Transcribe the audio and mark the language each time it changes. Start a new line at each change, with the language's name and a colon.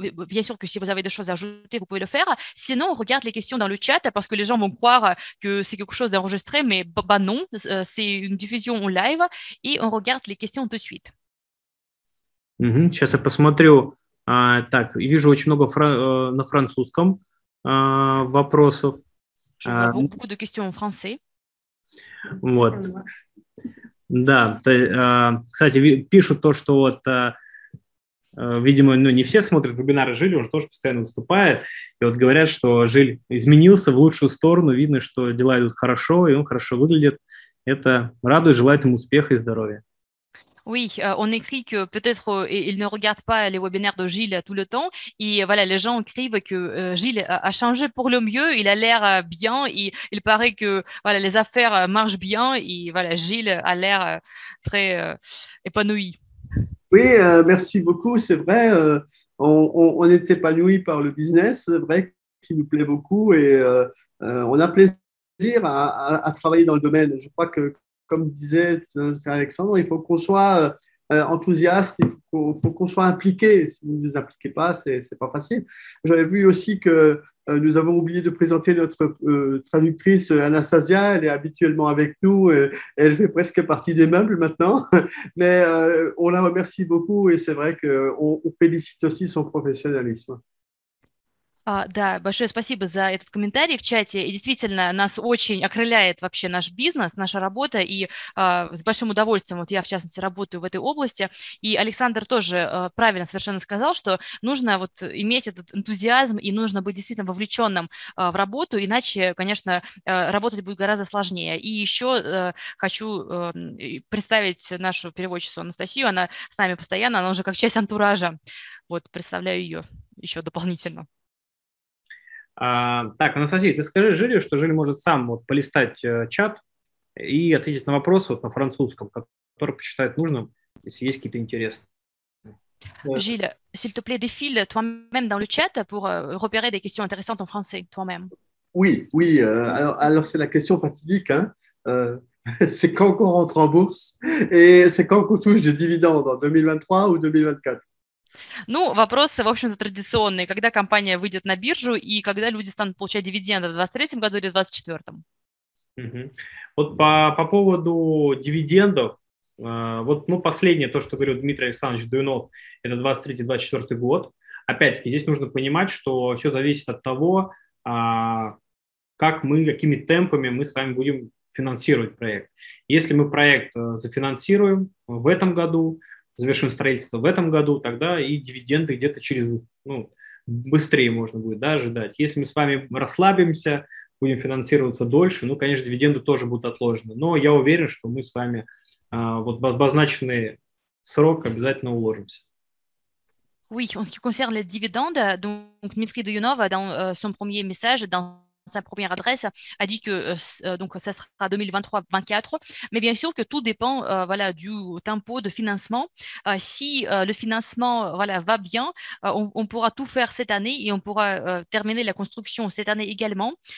French: Bien sûr que si vous avez des choses à ajouter, vous pouvez le faire. Sinon, on regarde les questions dans le chat parce que les gens vont croire que c'est quelque chose d'enregistré, mais bah non, c'est une diffusion en live et on regarde les questions de suite.
Russian: Mm-hmm. Сейчас я посмотрю. Так, вижу очень много на французском вопросов.
French: Je vois beaucoup de questions en français.
Russian: Вот. Да. Кстати, пишут то, что вот видимо, ну, не все смотрят вебинары Жиль, он же тоже постоянно выступает. И вот говорят, что Жиль изменился в лучшую сторону, видно, что дела идут хорошо, и он хорошо выглядит. Это радует, желает ему успеха и здоровья.
French: Oui, on écrit que peut-être il ne regarde pas les webinaires de Gilles tout le temps. Et voilà, les gens écrivent que Gilles a changé pour le mieux. Il a l'air bien. Et il paraît que voilà, les affaires marchent bien. Et voilà, Gilles a l'air très épanoui. Oui, merci beaucoup. C'est vrai, on est épanoui par le business. C'est vrai qu'il nous plaît beaucoup et on a plaisir à travailler dans le domaine. Je crois que, comme disait Alexandre, il faut qu'on soit enthousiaste, il faut qu'on soit impliqué. Si vous ne vous impliquez pas, ce n'est pas facile. J'avais vu aussi que nous avons oublié de présenter notre traductrice Anastasia. Elle est habituellement avec nous. Elle fait presque partie des meubles maintenant. Mais on la remercie beaucoup et c'est vrai qu'on félicite aussi son professionnalisme.
Russian: Да, большое спасибо за этот комментарий в чате. И действительно, нас очень окрыляет вообще наш бизнес, наша работа. И с большим удовольствием, вот я в частности работаю в этой области. И Александр тоже правильно совершенно сказал, что нужно вот иметь этот энтузиазм и нужно быть действительно вовлеченным в работу, иначе, конечно, работать будет гораздо сложнее. И еще хочу представить нашу переводчицу Анастасию. Она с нами постоянно, она уже как часть антуража. Вот, представляю ее еще дополнительно. Так, Анастасия, ты скажи Жилю, что Жиль может сам вот полистать чат и ответить на вопросы вот на французском, который посчитает нужным, если есть какие-то интересные.
French: Жиль, s'il te plaît, défile toi-même dans le chat pour repérer des questions intéressantes en français toi-même. Oui, oui. Alors c'est la question fatidique, hein. C'est quand qu'on rentre en bourse et c'est quand qu'on touche des dividendes en 2023 ou 2024?
Russian: Ну, вопросы, в общем-то, традиционные. Когда компания выйдет на биржу и когда люди станут получать дивиденды в 2023 году или 2024? Угу. Вот по поводу дивидендов, вот ну, последнее, то, что говорил Дмитрий Александрович Дуйнов, это 2023-2024 год. Опять-таки, здесь нужно понимать, что все зависит от того, как мы, какими темпами мы с вами будем финансировать проект. Если мы проект зафинансируем в этом году, завершим строительство в этом году, тогда и дивиденды где-то через, ну, быстрее можно будет, да, ожидать. Если мы с вами расслабимся, будем финансироваться дольше, ну, конечно, дивиденды тоже будут отложены. Но я уверен, что мы с вами вот в обозначенный срок обязательно уложимся.
French: Oui, en ce qui concerne les dividendes, donc Dmitrie Dounova dans son premier message dans sa première adresse a dit que donc ça sera 2023-24, mais bien sûr que tout dépend voilà du tempo de financement. Si le financement voilà va bien, on pourra tout faire cette année et on pourra terminer la construction cette année également.